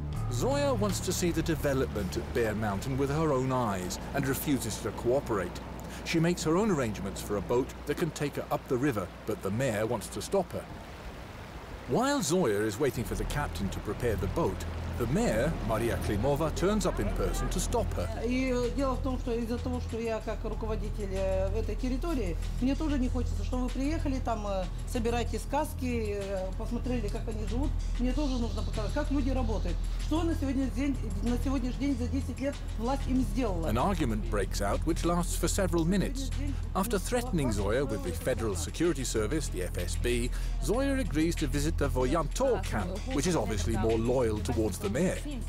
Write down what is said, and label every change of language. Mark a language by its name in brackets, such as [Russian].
[English] Zoia wants to see the development at Bear Mountain with her own eyes and refuses to cooperate. She makes her own arrangements for a boat that can take her up the river, but the mayor wants to stop her. While Zoia is waiting for the captain to prepare the boat, the mayor, Maria Klimova, turns up in person to stop her. [Russian] И дело в том, что из-за того, что я как руководитель в этой территории, мне тоже не хочется, чтобы вы приехали там собирать сказки, посмотрели, как они живут. Мне тоже нужно показать, как люди работают. Что на сегодняшний день за 10 лет власть им сделала? [English] An argument breaks out, which lasts for several minutes. After threatening Zoia with the Federal Security Service, the FSB, Zoia agrees to visit the Voyantor camp, which is obviously more loyal towards the mayor.